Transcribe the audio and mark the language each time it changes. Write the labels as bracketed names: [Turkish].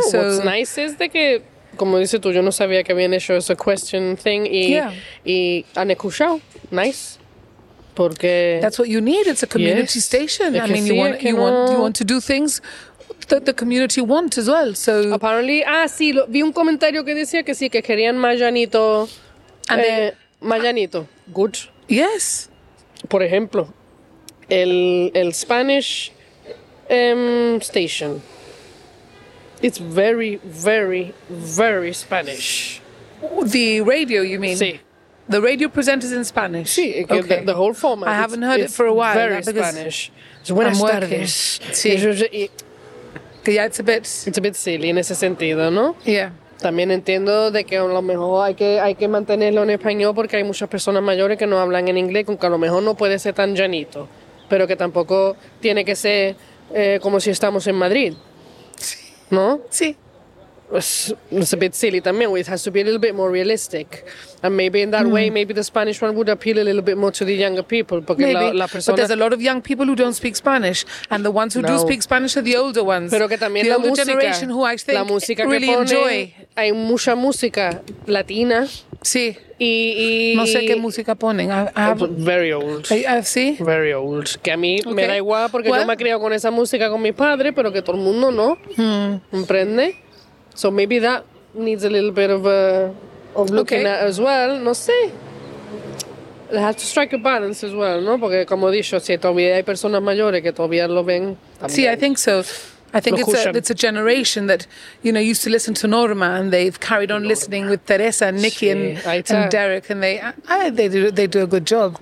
[English] so what's nice is that, [Spanish] como dices tú, yo no sabía que habían hecho esa [English] question thing [Spanish] y han escuchado. [English] Nice. [Spanish] Porque [English] that's what you need. It's a community yes. station. [Spanish] Es [English] I mean, [Spanish] sí, [English] you want to do things that the community want as well, so [Spanish] apparently, sí, vi un comentario que decía que sí, que querían más llanito, más llanito. [English] Good. Yes. [Spanish] Por ejemplo, el Spanish station. [English] It's very, very, very Spanish. The radio, you mean? [Spanish] Sí. [English] The radio presenters in Spanish? Sí, okay. The whole format. I haven't heard it for a while. Very Spanish. So when I'm working. Sí. Yeah, it's a bit silly in [Spanish] ese sentido, no? [English] Yeah. [Spanish] También entiendo de que a lo mejor hay que mantenerlo en español porque hay muchas personas mayores que no hablan en inglés, con que a lo mejor no puede ser tan llanito, pero que tampoco tiene que ser como si estamos en Madrid, ¿no? Sí. [English] It's a bit silly [Spanish] también. [English] It has to be a little bit more realistic. And maybe in that way, maybe the Spanish one would appeal a little bit more to the younger people. Maybe, but there's a lot of young people who don't speak Spanish. And the ones who do speak Spanish are the older ones. [Spanish] Pero que también [English] the [Spanish] la [English] older [Spanish] música, [English] generation who I think [Spanish] la música [English] really [Spanish] que pone, [English] enjoy. [Spanish] Hay mucha música latina. Sí. Y no sé qué música ponen. [English] Very old. [Spanish] ¿Sí? [English] Very old. [Spanish] Que a mí me da igual porque yo me he criado con esa música con mis padres, pero que todo el mundo no. ¿Comprende? [English] So maybe that needs a little bit of looking at as well. [Spanish] No sé. [English] It has to strike a balance as well, ¿no? [Spanish] Porque como he dicho, si todavía hay personas mayores que todavía lo ven también. [English] See, I think so. I think it's a generation that, you know, used to listen to Norma, and they've carried on listening with Teresa and Nikki and Derek, and they do a good job.